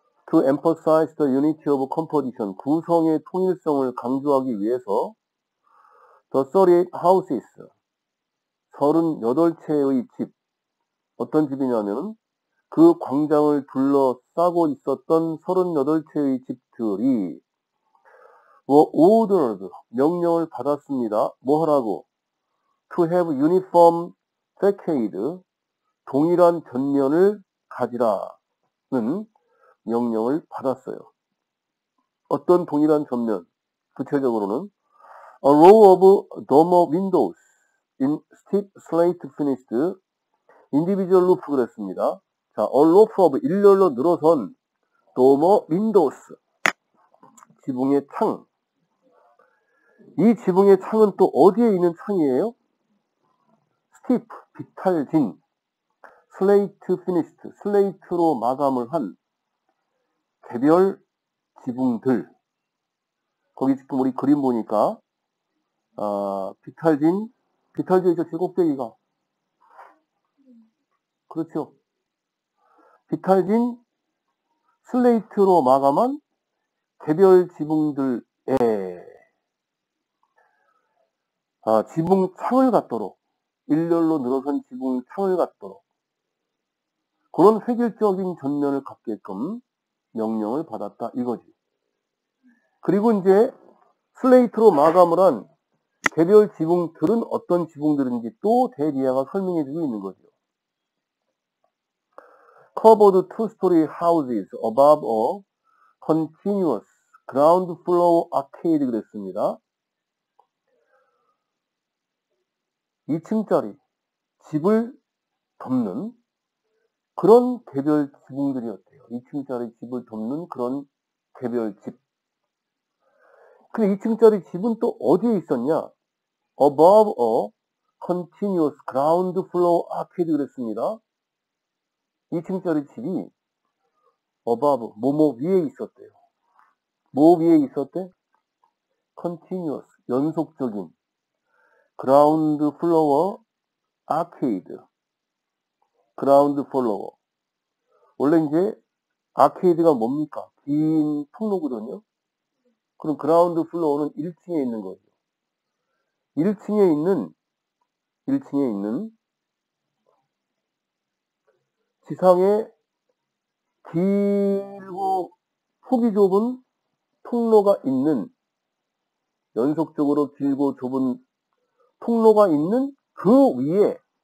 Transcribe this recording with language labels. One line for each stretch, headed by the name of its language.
English: To emphasize the unity of composition,
Korean: 구성의 통일성을 강조하기 위해서
English: the 38 houses,
Korean: 38채의 집, 어떤 집이냐면 그 광장을 둘러싸고 있었던 38채의 집들이 ordered, 명령을 받았습니다. 뭐하라고?
English: To have uniform facade,
Korean: 동일한 전면을 가지라는 명령을 받았어요. 어떤 동일한 전면? 구체적으로는
English: A row of dormer windows in steep slate finished individual roof 그랬습니다.
Korean: 자,
English: a roof of
Korean: 일렬로 늘어선 dormer windows 지붕의 창. 이 지붕의 창은 또 어디에 있는 창이에요?
English: steep
Korean: 비탈진
English: slate finished
Korean: 슬레이트로 마감을 한 개별 지붕들. 거기 지금 우리 그림 보니까 비탈진 비탈진이죠. 제곱대기가. 그렇죠. 비탈진 슬레이트로 마감한 개별 지붕들에 지붕 창을 갖도록 일렬로 늘어선 지붕 창을 갖도록 그런 획일적인 전면을 갖게끔 명령을 받았다 이거지. 그리고 이제 슬레이트로 마감을 한 개별 지붕들은 어떤 지붕들인지 또 대리아가 설명해 주고 있는 거죠.
English: Covered two-story houses above a continuous ground floor arcade
Korean: 그랬습니다. 2층짜리 집을 덮는 그런 개별 지붕들이었대요. 2층짜리 집을 덮는 그런 개별 집. 근데 2층짜리 집은 또 어디에 있었냐?
English: Above a continuous ground floor arcade
Korean: 그랬습니다. 2층짜리 집이 above, 뭐뭐 위에 있었대요. 뭐 위에 있었대?
English: continuous,
Korean: 연속적인
English: ground floor arcade. ground floor.
Korean: 원래 이제 아케이드가 뭡니까? 긴 통로거든요. 그럼 그라운드 플로어는 1층에 있는 거죠. 1층에 있는 지상에 길고 폭이 좁은 통로가 있는 연속적으로 길고 좁은 통로가 있는 그 위에